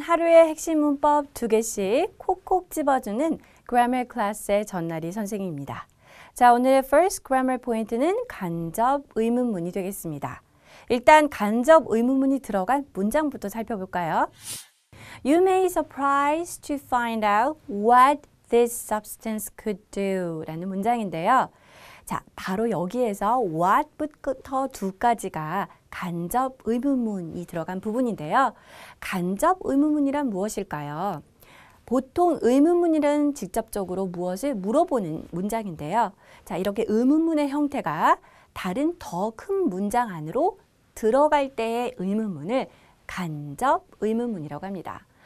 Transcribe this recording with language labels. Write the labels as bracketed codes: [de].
[ko] 하루의 핵심 문법 두 개씩 콕콕 집어주는 Grammar Class의 전나리 선생님입니다. 자, 오늘의 [en] first grammar [ko] 포인트는 간접 의문문이 되겠습니다. 일단 간접 의문문이 들어간 문장부터 살펴볼까요? [en] You may be surprised to find out what this substance could do [ko] 라는 문장인데요. 자, 바로 여기에서 what부터 do까지가 간접 의문문이 들어간 부분인데요. 간접 의문문이란 무엇일까요? 보통 의문문이란 직접적으로 무엇을 물어보는 문장인데요. 자, 이렇게 의문문의 형태가 다른 더 큰 문장 안으로 들어갈 때의 의문문을 간접 의문문이라고 합니다.